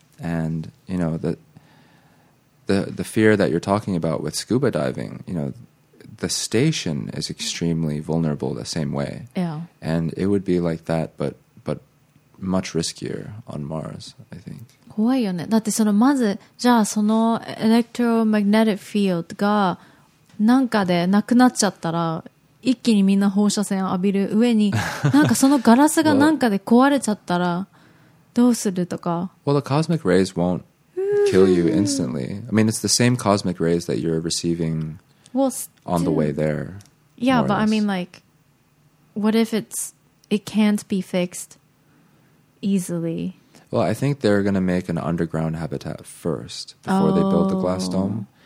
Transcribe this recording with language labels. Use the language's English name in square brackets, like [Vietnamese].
[English] And, you know, the fear that you're talking about with scuba diving, you know, the station is extremely vulnerable the same way. Yeah. And it would be like that, but much riskier on Mars, I think. [Japanese] 怖いよね。だってそのまず、じゃあそのエレクトロマグネティックフィールドがなんかでなくなっちゃったら、一気にみんな放射線を浴びる上に、なんかそのガラスがなんかで壊れちゃったら、どうするとか。 [English] Well, the cosmic rays won't kill you instantly. I mean, it's the same cosmic rays that you're receiving on the way there. Yeah, but I mean, like, what if it can't be fixed? Easily. Well, I think they're going to make an underground habitat first before they build the glass dome.